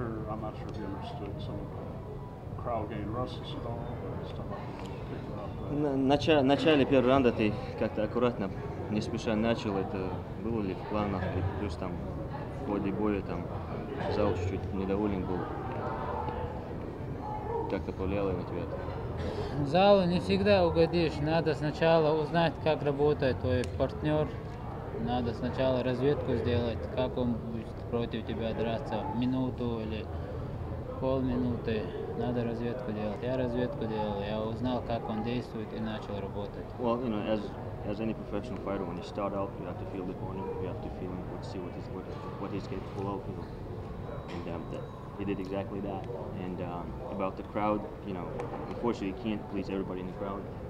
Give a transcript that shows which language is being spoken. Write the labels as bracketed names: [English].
[English] I'm not sure if you understood some of the crowd gain rustles at all, but it's talking about picking up. [Russian] Начале первого раунда ты как-то аккуратно, не спеша начал. Это было ли в планах? Плюс там. В ходе боя там зал чуть-чуть недоволен был. Как-то повлияло на тебя это? Залу не всегда угодишь. Надо сначала узнать, как работает твой партнер. Надо сначала разведку сделать, как он будет против тебя драться. Минуту или полминуты. Надо разведку делать. Я разведку делал. Я узнал, как он действует и начал работать. [English] Well, you know, as any professional fighter, when you start out, you have to feel the opponent, you have to feel him, see what he's capable of, you know. And he did exactly that. And about the crowd, you know, unfortunately, you can't please everybody in the crowd.